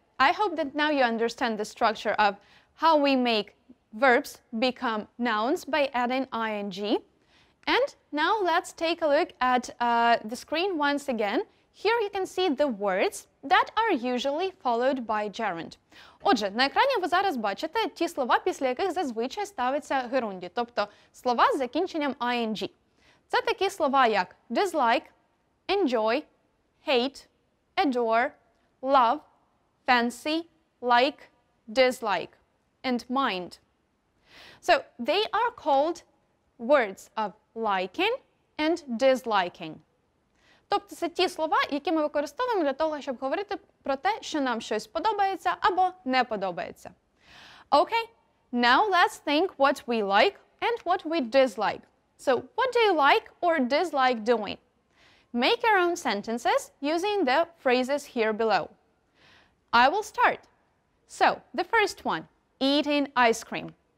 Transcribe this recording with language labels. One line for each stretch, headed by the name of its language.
English: I hope that now you understand the structure of how we make verbs become nouns by adding ing. And now let's take a look at the screen once again. Here you can see the words that are usually followed by gerund.
Ukrainian: Отже, на екрані ви зараз бачите ті слова, після яких зазвичай ставиться герунді, тобто слова з закінченням ing. Це такі слова як
English: dislike, enjoy, hate, adore, love, fancy, like, dislike, and mind. So, they are called words of liking and disliking.
Ukrainian: Тобто, це ті слова, які ми використовуємо для того, щоб говорити про те, що нам щось подобається або не подобається.
English: Okay, now let's think what we like and what we dislike. So, what do you like or dislike doing? Make your own sentences using the phrases here below. I will start. So, the first one, eating ice cream.